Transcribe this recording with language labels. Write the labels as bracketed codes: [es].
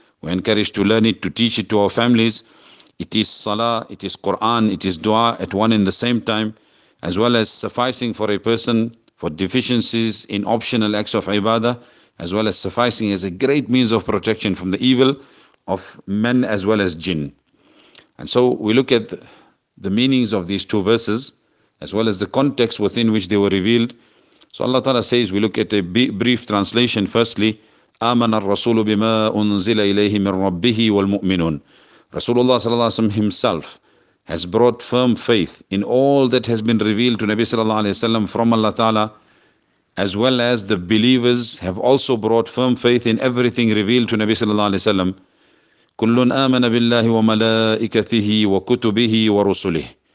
[en] We're encouraged to learn it, to teach it to our families. It is salah, it is Quran, it is dua at one and the same time, as well as sufficing for a person for deficiencies in optional acts of ibadah, as well as sufficing as a great means of protection from the evil of men as well as jinn. And so we look at the meanings of these two verses, as well as the context within which they were revealed. So Allah Ta'ala says, we look at a brief translation. Firstly, [ar] آمن الرسول بما أنزل إليه من ربه والمؤمنون. [en] Rasulullah Sallallahu Alaihi Wasallam himself has brought firm faith in all that has been revealed to Nabi Sallallahu Alaihi Wasallam from Allah Ta'ala, as well as the believers have also brought firm faith in everything revealed to Nabi Sallallahu Alaihi Wasallam. [ar] كُلٌّ آمَنَ بِاللَّهِ وَمَلَائِكَتِهِ وَكُتُبِهِ وَرُسُلِهِ.